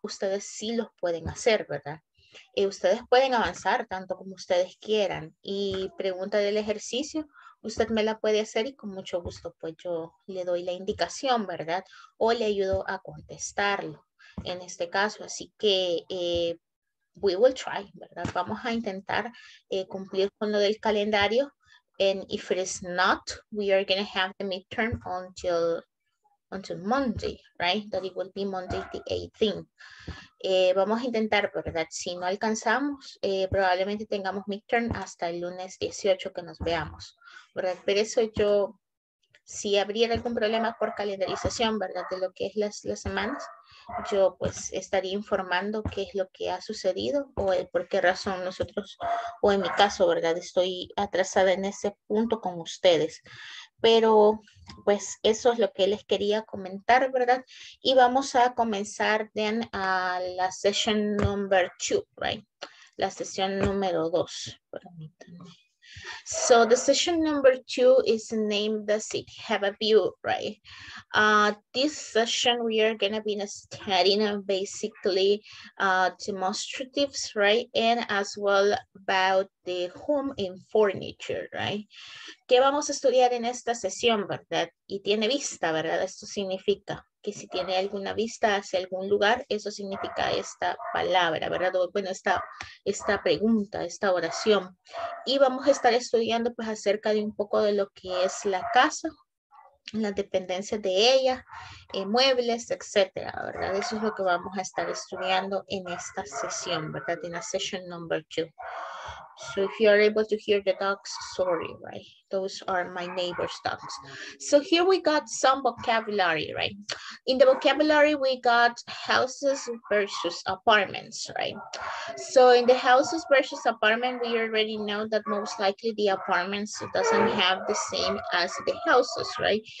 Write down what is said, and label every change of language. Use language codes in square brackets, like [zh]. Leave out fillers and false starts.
[es] Ustedes sí los pueden hacer, ¿verdad? Ustedes pueden avanzar tanto como ustedes quieran. Y pregunta del ejercicio, usted me la puede hacer y con mucho gusto, pues yo le doy la indicación, ¿verdad? O le ayudo a contestarlo en este caso. Así que [en] we will try, [es] ¿verdad? Vamos a intentar cumplir con lo del calendario. [en] And if it is not, we are going to have the midterm until Monday, right? That it will be Monday the 18th. [es] Vamos a intentar, ¿verdad? Si no alcanzamos, probablemente tengamos midterm hasta el lunes 18 que nos veamos, ¿verdad? Pero eso yo, si habría algún problema por calendarización, ¿verdad? De lo que es las semanas, yo pues estaría informando qué es lo que ha sucedido o el por qué razón nosotros, o en mi caso, ¿verdad? Estoy atrasada en ese punto con ustedes. Pero pues eso es lo que les quería comentar, ¿verdad? Y vamos a comenzar [en] then [es] a la [en] session number 2, right? [es] La sesión número 2. Permítanme. [en] So the session number 2 is named the city. Have a view, right? This session we are going to be studying basically demonstratives, right? And as well about the home and furniture, right? [es] ¿Qué vamos a estudiar en esta sesión, verdad? Y tiene vista, ¿verdad? Esto significa que si tiene alguna vista hacia algún lugar, eso significa esta palabra, ¿verdad? Bueno, esta pregunta, esta oración. Y vamos a estar estudiando pues acerca de un poco de lo que es la casa, las dependencias de ella, muebles, etcétera, ¿verdad? Eso es lo que vamos a estar estudiando en esta sesión, ¿verdad? En la [en] session number 2. So if you are able to hear the dogs, sorry, right? Those are my neighbor's dogs. So here we got some vocabulary, right? In the vocabulary, we got houses versus apartments, right? So in the houses versus apartment, we already know that most likely the apartments doesn't have the same as the houses, right?